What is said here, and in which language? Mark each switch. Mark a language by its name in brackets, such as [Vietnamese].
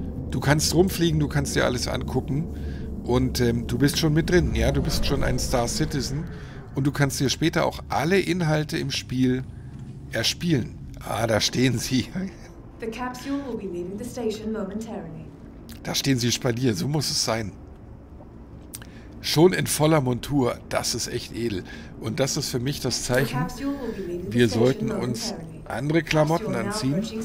[German] Du kannst rumfliegen, du kannst dir alles angucken und du bist schon mit drin, ja, du bist schon ein Star Citizen und du kannst dir später auch alle Inhalte im Spiel erspielen. Ah, da stehen sie. [English] The capsule will be leaving the station momentarily. [German] Da stehen sie Spalier, so muss es sein. Schon in voller Montur, das ist echt edel. Und das ist für mich das Zeichen, wir sollten uns andere Klamotten anziehen.